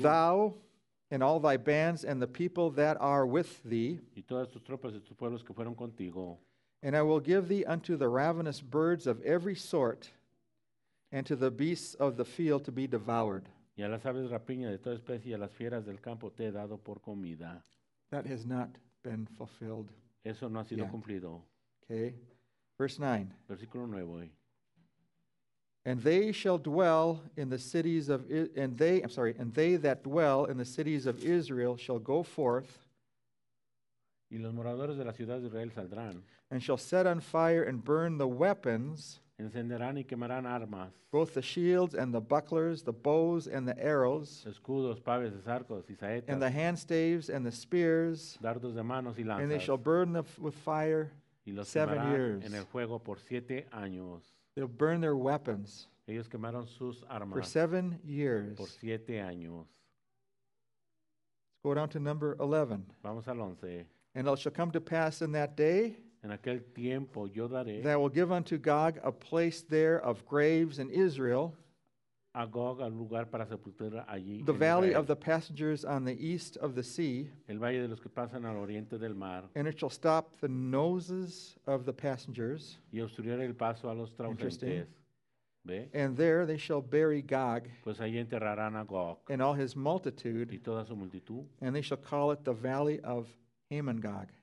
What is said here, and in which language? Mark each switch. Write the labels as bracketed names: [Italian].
[English] Thou and all thy bands and the people that are with thee. [Spanish] Y todas tus tropas y tus pueblos que fueron contigo. [English] And I will give thee unto the ravenous birds of every sort, and to the beasts of the field to be devoured. [Spanish] Y a las aves rapiña de toda especie y a las fieras del campo te he dado por comida. [English] That has not been fulfilled. [Spanish] Eso no ha sido [English] yet. [Spanish] Cumplido. [English] Okay. Verse 9. [Spanish] Versículo 9. [English] And they shall dwell in the cities of and they I'm sorry, and they that dwell in the cities of Israel shall go forth. [Spanish] Y los moradores de las ciudades de Israel saldrán. [English] And shall set on fire and burn the weapons. [Spanish] Encenderán y quemarán armas. [English] Both the shields and the bucklers, the bows and the arrows. [Spanish] Escudos, paves, arcos y saetas. [English] And the hand staves and the spears. [Spanish] Dardos de manos y lanzas. [English] And they shall burn with fire [Spanish] y los [English] 7 years. [Spanish] En el fuego por 7 años. [English] They'll burn their weapons. [Spanish] Ellos quemaron sus armas. [English] For 7 years. [Spanish] Por 7 años. [English] Let's go down to number 11. [Spanish] Vamos al 11. [English] And it shall come to pass in that day. [Spanish] En aquel tiempo yo daré [English] that will give unto Gog a place there of graves in Israel, [Spanish] a Gog, al lugar para sepultura allí [English] the [Spanish] en [English] valley [Spanish] Israel. [English] Of the passengers on the east of the sea, [Spanish] el valle de los que pasan al oriente del mar, [English] and it shall stop the noses of the passengers, [Spanish] y obstruir el paso a los transeúntes. [English] And there they shall bury Gog, [Spanish] pues allí enterrarán a Gog [English] and all his multitude, [Spanish] y toda su multitud, [English] and they shall call it the valley of Hamon Gog.